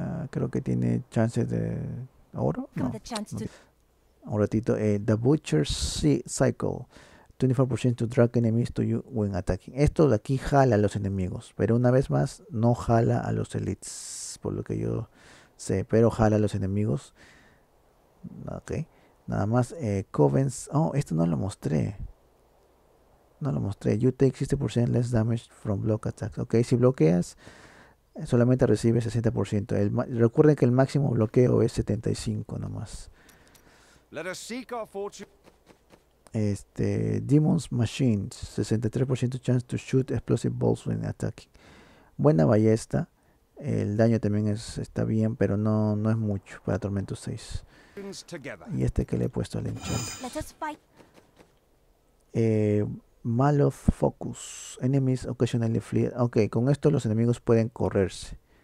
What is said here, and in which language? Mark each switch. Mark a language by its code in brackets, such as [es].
[es] Creo que tiene chances de oro. No. No. Un ratito, The Butcher Cycle, [en] 24% drag enemies to you when attacking. [es] Esto de aquí jala a los enemigos, pero una vez más no jala a los elites, por lo que yo sé, pero jala a los enemigos. Ok, nada más, Covens, oh, esto no lo mostré. No lo mostré, [en] you take 60% less damage from block attacks. [es] Ok, si bloqueas, solamente recibes 60%. Recuerden que el máximo bloqueo es 75 nomás. [en] Let us seek our fortune. Demon's Machines, 63% chance to shoot explosive balls when attacking. [es] Buena ballesta. El daño también está bien, pero no es mucho para Tormento 6. [en] Together. [es] Y este que le he puesto al [en] Let us fight. [es] Maloth Focus. [en] Enemies occasionally flee. [es] Ok, con esto los enemigos pueden correrse.